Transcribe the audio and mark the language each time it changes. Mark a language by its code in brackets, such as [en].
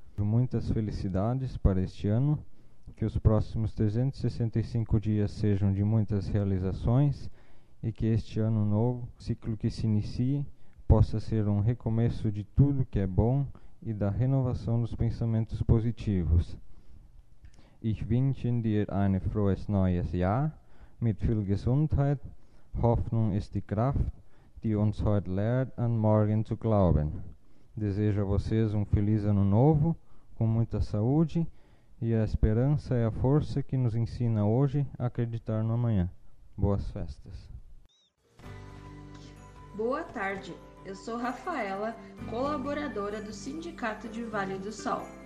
[pt] Muitas felicidades para este ano, que os próximos 365 dias sejam de muitas realizações e que este ano novo, ciclo que se inicie, possa ser um recomeço de tudo que é bom e da renovação dos pensamentos positivos. [de] Ich wünsche dir ein frohes neues Jahr mit viel Gesundheit. Hoffnung ist die Kraft, die uns heute lehrt, an morgen zu glauben. [pt] Desejo a vocês um feliz ano novo, com muita saúde, e a esperança é a força que nos ensina hoje a acreditar no amanhã. Boas festas! Boa tarde, eu sou Rafaela, colaboradora do Sindicato de Vale do Sol.